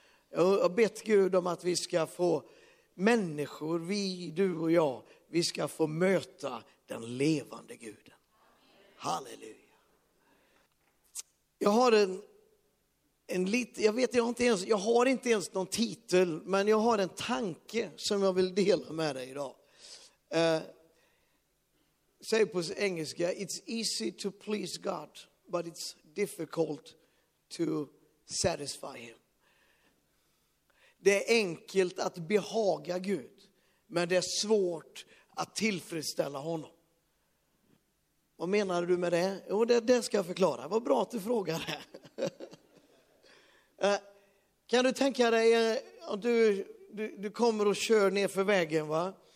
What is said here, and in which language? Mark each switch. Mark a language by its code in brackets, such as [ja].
[sv] Jag har bett Gud om att vi ska få människor, vi, du och jag, vi ska få möta den levande Guden. Halleluja. Jag har jag har inte ens någon titel, men jag har en tanke som jag vill dela med dig idag. Säg på engelska, [en] it's easy to please God, but it's difficult to satisfy him. [sv] Det är enkelt att behaga Gud, men det är svårt att tillfredsställa honom. Vad menar du med det? Jo, det ska jag förklara. Vad bra att du frågar det. Kan du tänka dig att du kommer och kör ner för vägen, va?